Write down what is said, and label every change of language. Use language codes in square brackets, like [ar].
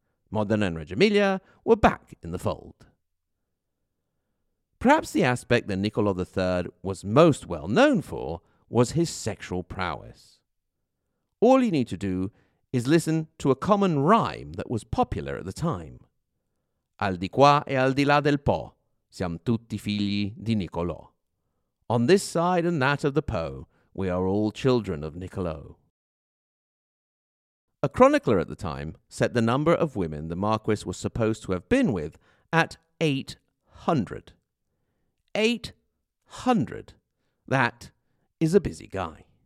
[en] Modena and Reggio Emilia were back in the fold. Perhaps the aspect that Niccolò III was most well known for was his sexual prowess. All you need to do is listen to a common rhyme that was popular at the time. [it] Al di qua e al di là del Po, siamo tutti figli di Niccolò. [en] On this side and that of the Po, we are all children of Niccolò. A chronicler at the time set the number of women the Marquis was supposed to have been with at 800. 800. That is a busy guy.